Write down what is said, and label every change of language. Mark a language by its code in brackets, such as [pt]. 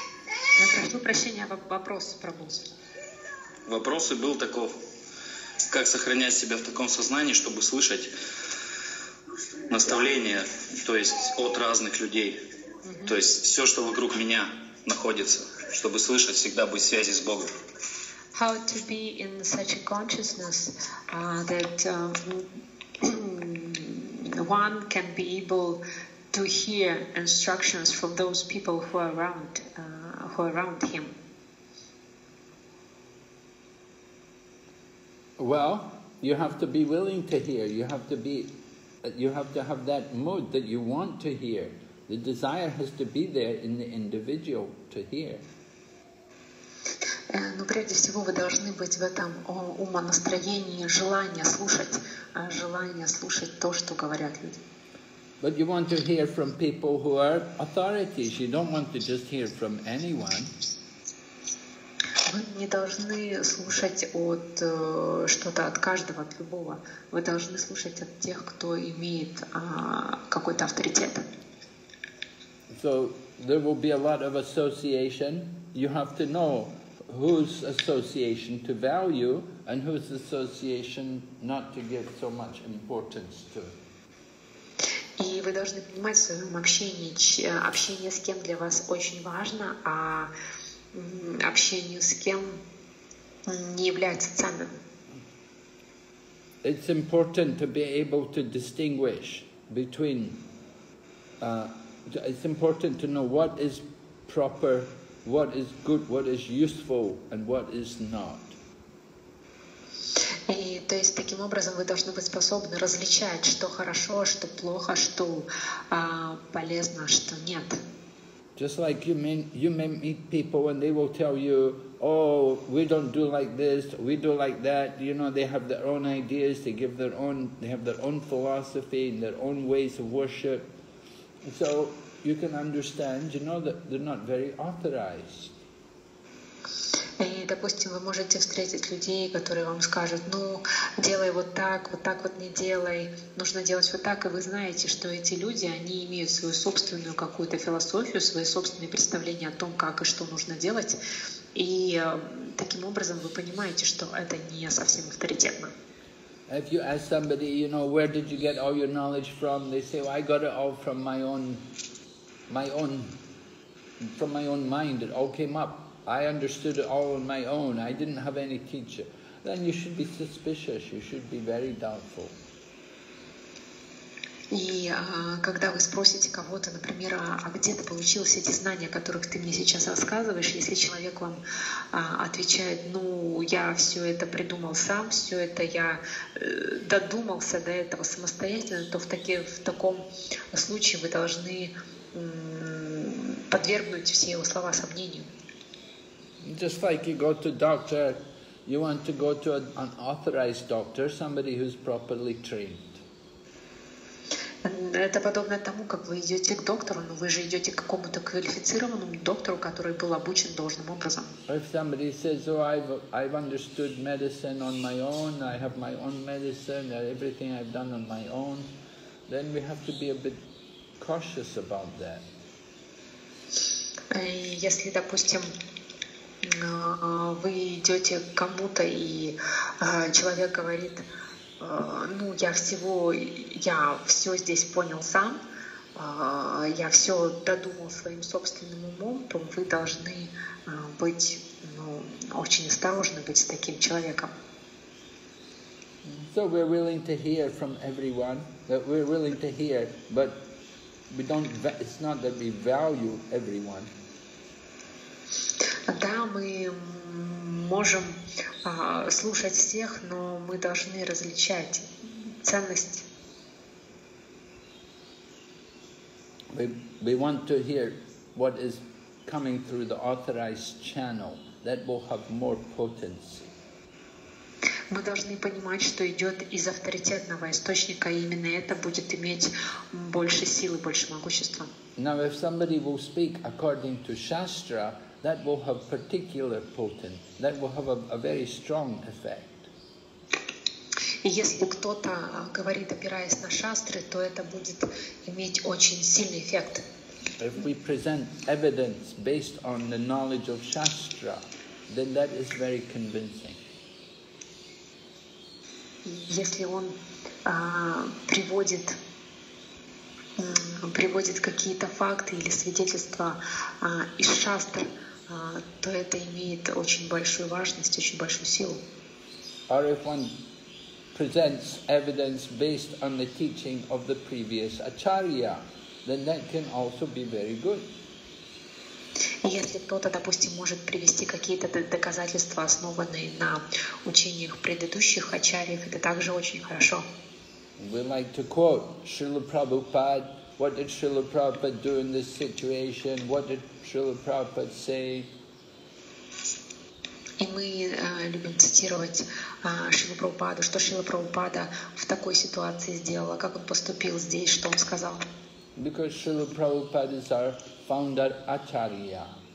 [ru] Я прошу прощения, вопрос про босс. Вопрос и был таков, как сохранять себя в таком сознании, чтобы слышать наставления, то есть от разных людей, угу. То есть все, что вокруг меня находится, чтобы слышать, всегда быть в связи с Богом. [en] How to be in such a consciousness that one can be able to hear instructions from those people who are around him. Well, You have to be willing to hear. You have to be, you have to have that mood that you want to hear. The desire has to be there in the individual to hear. [ru] Но прежде всего вы должны быть в этом умонастроении, желание слушать то, что говорят люди. [en] But you want to hear from people who are authorities. You don't want to just hear from anyone. [ru] Вы не должны слушать от что-то от каждого, от любого. Вы должны слушать от тех, кто имеет какой-то авторитет. [en] So there will be a lot of association. You have to know whose association to value and whose association not to give so much importance to. [ru] И вы должны понимать в своем общении, общение с кем для вас очень важно, а общение с кем не является ценным. [en] It's important to be able to distinguish between. It's important to know what is proper, what is good, what is useful, and what is not. [ru] И то есть таким образом вы должны быть способны различать, что хорошо, что плохо, что полезно, что нет. [en] Just like you may meet people and they will tell you, oh, we don't do like this, we do like that. You know, they have their own ideas, they give their own, they have their own philosophy and their own ways of worship. So you can understand, you know, that they're not very authorized. [ru] И, допустим, вы можете встретить людей, которые вам скажут, ну, делай вот так вот не делай, нужно делать вот так, и вы знаете, что эти люди, они имеют свою собственную какую-то философию, свои собственные представления о том, как и что нужно делать, и таким образом вы понимаете, что это не совсем авторитетно. [en] If you ask somebody, you know, where did you get all your knowledge from, they say, well, I got it all from my own mind, it all came up. I understood it all on my own. I didn't have any teacher. Then you should be suspicious. You should be very doubtful. [ru] И когда вы спросите кого-то, например, а где ты получил все эти знания, о которых ты мне сейчас рассказываешь, если человек вам отвечает, ну, я все это придумал сам, все это я додумался до этого самостоятельно, то в таком случае вы должны подвергнуть все его слова сомнению. [en] Just like you go to a doctor, you want to go to an authorized doctor, somebody who's properly trained. [ru] Это подобно тому, как вы идете к доктору, но вы же идете к какому-то квалифицированному доктору, который был обучен должным образом. [en] If somebody says, "Oh, I've understood medicine on my own, I have my own medicine, everything I've done on my own," then we have to be a bit cautious about that. [ru] Если, допустим, вы идете к кому-то, и человек говорит, ну, я все здесь понял сам, я все додумал своим собственным умом, то вы должны быть очень осторожны, быть с таким человеком. [en] So we're willing to hear from everyone, that we're willing to hear, but we don't, it's not that we value everyone. [ru] Да, мы можем слушать всех, но мы должны различать ценности. [en] We want to hear what is coming through the authorized channel. That will have more potency. [ru] Мы должны понимать, что идет из авторитетного источника, и именно это будет иметь больше силы, больше могущества. [en] Now, if somebody will speak according to Shastra, that will have particular potent, that will have a very strong effect. [ru] Если кто-то говорит, опираясь на шастры, то это будет иметь очень сильный эффект. [en] If we present evidence based on the knowledge of Shastra, then that is very convincing. [ru] Если он приводит какие-то факты или свидетельства из шастр, то это имеет очень большую важность, очень большую силу. [en] Or if one presents evidence based on the teaching of the previous acharya, then that can also be very good. [ru] Если кто-то, допустим, может привести какие-то доказательства, основанные на учениях предыдущих ачарьев, это также очень хорошо. [en] We like to quote Srila Prabhupada. What did Srila Prabhupada do in this situation? What did Srila Prabhupada say? [ru] И мы любим цитировать Шрилу Прабхупаду, что Шрила Прабхупада в такой ситуации сделала, как он поступил здесь, что он сказал. [en] Because Srila Prabhupada is our founder acharya.